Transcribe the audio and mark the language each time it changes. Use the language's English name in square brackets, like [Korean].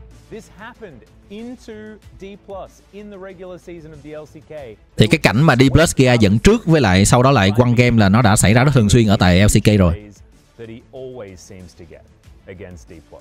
[English] This happened into D+ in the regular season of the LCK. [Vietnamese] Thì cái cảnh mà D+ kia dẫn trước với lại sau đó lại quăng game là nó đã xảy ra rất thường xuyên ở tại LCK rồi. [English] That he always seems to get against D+.